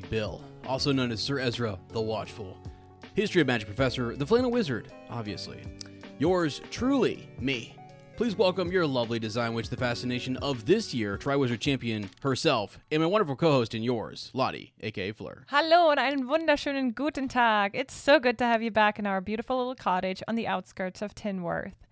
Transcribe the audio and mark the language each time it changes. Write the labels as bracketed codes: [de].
[en] Bill, also known as Sir Ezra the Watchful, History of Magic Professor, the Flannel Wizard, obviously. Yours truly, me. Please welcome your lovely design witch, the fascination of this year, Triwizard Champion herself, and my wonderful co-host and yours, Lottie, a.k.a. Fleur. [de] Hallo und einen wunderschönen guten Tag. [en] It's so good to have you back in our beautiful little cottage on the outskirts of Tinworth.